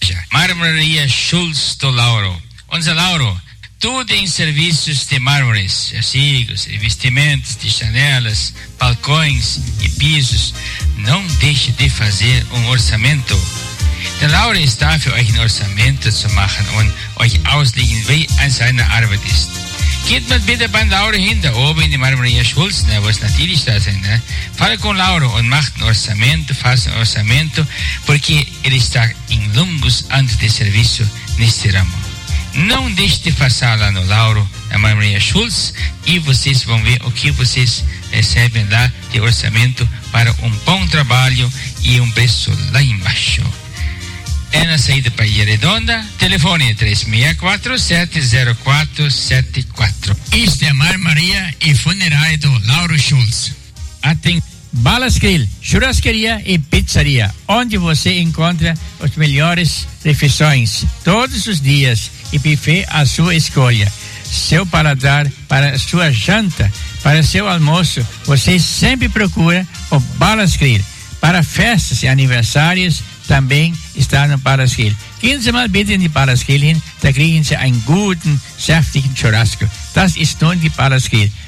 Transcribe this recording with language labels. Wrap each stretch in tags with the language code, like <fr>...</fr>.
<pt>Marmoraria Schultz do Lauro. Onze Lauro, tudo em serviços de mármores, assim, revestimentos de janelas, balcões e pisos. Não deixe de fazer um orçamento.</pt> <de>De Lauro está für euch orçamento zu machen und euch auslegen, wie an seiner Arbeit ist. Geht mal bitte bei Lauro hin, da oben in die Marmoraria Schultz, ne, wo es natürlich da sind, ne?</de> <pt>Fala com Lauro</pt> <de>und macht ein Orçamento,</de> <pt>faz um Orçamento, porque ele está em longos anos de serviço neste ramo. Não deixe de passar lá no Lauro, na Marmoraria Schultz, e vocês vão ver o que vocês recebem lá de orçamento para um bom trabalho e um preço lá embaixo. É na saída para Ilha Redonda, telefone 3647-0474. Isto é Marmoraria e Funerária do Lauro Schultz. Balas Grill, churrascaria e pizzaria, onde você encontra as melhores refeições todos os dias e buffet à sua escolha. Seu paladar para sua janta, para seu almoço, você sempre procura o Balas Grill. Para festas e aniversários, também está no Balas Grill.</pt> <de>15 mal bitten die Balas Grill hin, da kriegen Sie einen guten, saftigen Churrasco. Das ist nun die Balas Grill.</de>